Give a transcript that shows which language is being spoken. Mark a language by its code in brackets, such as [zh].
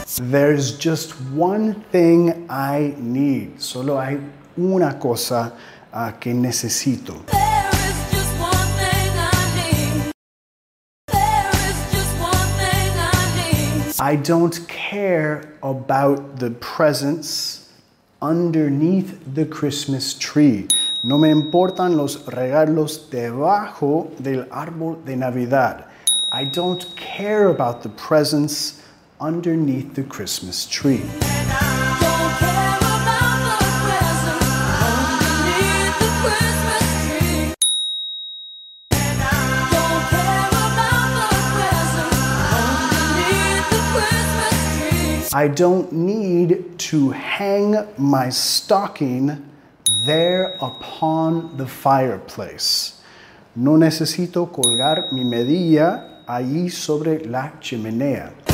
[en] There's just one thing I need. [es] Solo hay una cosa que necesito. [en] There is just one thing I need. There is just one thing I need. I don't care about the presents underneath the Christmas tree. [es] No me importan los regalos debajo del árbol de Navidad. [en] I don't care about the presents underneath the Christmas tree. And I don't care about the presents underneath the Christmas tree. And I don't care about the presents underneath the Christmas tree. I don't need to hang my stocking there upon the fireplace. [es] No necesito colgar mi medilla allí sobre la chimenea.